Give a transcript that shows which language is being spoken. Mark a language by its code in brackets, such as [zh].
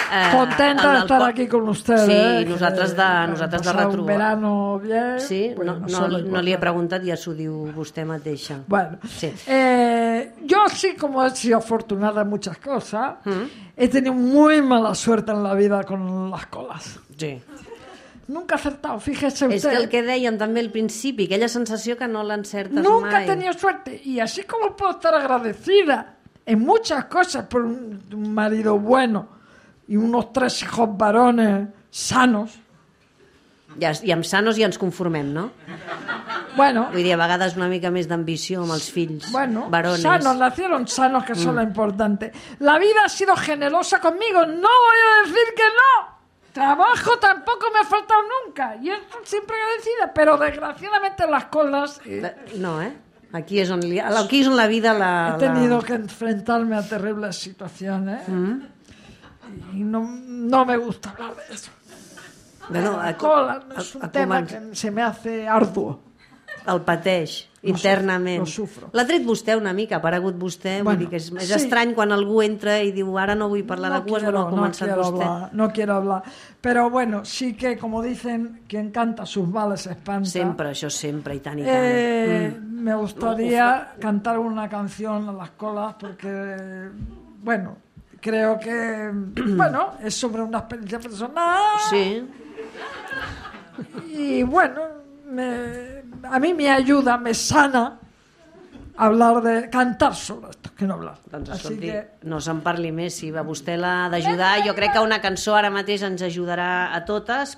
[es] Contenta de estar aquí con usted. [ca] Sí, nosaltres de retrobar. [es] Un verano bien. [ca] Sí, bueno, no li he preguntat, ja s'ho diu vostè mateixa. Bueno, sí. [es] Yo sí, como he sido afortunada en muchas cosas, he tenido muy mala suerte en la vida con las colas. Sí. Nunca acertado, fíjese usted. [ca] Es que el que deien també al principi, aquella sensació que no l'encertes mai. [es] Nunca he tenido suerte. Y así como puedo estar agradecida en muchas cosas por un marido bueno y unos tres hijos varones sanos. [ca] Ja, i amb sanos ja ens conformem, no? Bueno. Vull dir, a vegades una mica més d'ambició amb els fills, bueno, varones. [es] Sanos, nacieron sanos, que son lo importante. La vida ha sido generosa conmigo, no voy a decir que no. Trabajo tampoco me ha faltado nunca. Y estoy siempre agradecida, pero desgraciadamente las cosas... No, ¿eh? Aquí es, aquí es la vida la... He tenido que enfrentarme a terribles situaciones. Mm-hmm. Y no me gusta hablar de eso. Bueno, cola no és un tema que se me hace arduo. [ca] El pateix internament. [es] Lo sufro. [ca] L'ha tret vostè una mica, ha aparegut vostè. Bueno, vull dir que és estrany quan algú entra i diu ara no vull parlar de cues, però ha començat vostè. [es] No quiero hablar. Pero bueno, sí que, como dicen, quien canta sus males espanta. [ca] Sempre, això sempre, i tant, i tant. [es] Me gustaría cantar una canción a las colas porque, bueno, creo que, bueno, es sobre una experiencia personal. Sí. Y bueno, a mí me ayuda, me sana hablar de cantar sobre esto, que no hablar. [ca] Doncs escolti, que... no se'n parli més, si va vostè la d'ajudar. Jo crec que una cançó ara mateix ens ajudarà a totes.